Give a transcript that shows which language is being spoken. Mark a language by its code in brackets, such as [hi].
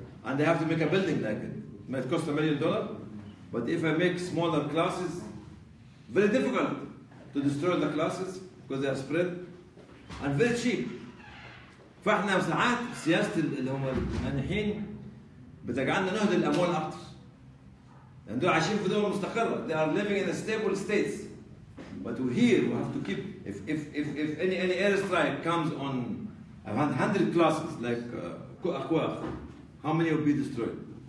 [en] And they have to make a building like it. It might cost $1 million. But if I make smaller classes, very difficult to destroy the classes because they are spread and very cheap. [ar] فاحنا ساعات سياسة اللي هم المانحين بتجعلنا نهدر الأموال أكثر. لأن دول عايشين في دول مستقرة. [en] They are living in a stable state. But we here we have to keep if any airstrike comes on 100 classes like [ar] أكواخ, [en] how many will be destroyed?